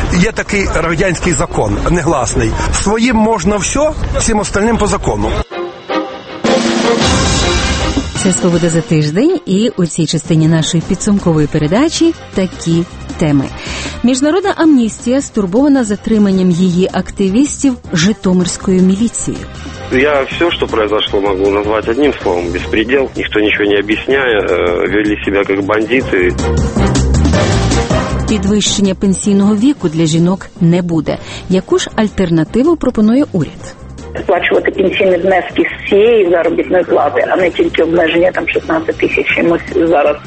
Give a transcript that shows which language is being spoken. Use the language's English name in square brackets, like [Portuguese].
[Ukrainian] Є такий радянський закон, негласний. Своїм можна все, всім остальним по закону. Це «Свобода за тиждень» і у цій частині нашої підсумкової передачі такі теми. Міжнародна амністія стурбована затриманням її активістів житомирською міліцією. [Russian] Я все, что произошло, могу назвать одним словом – беспредел. [Ukrainian] Ніхто нічого не об'ясняє, вели себе як бандити. Підвищення пенсійного віку для жінок не буде. Яку ж альтернативу пропонує уряд? Сплачувати пенсійні внески з цієї заробітної плати, а не тільки обмеження там 16 тисяч чимось зараз.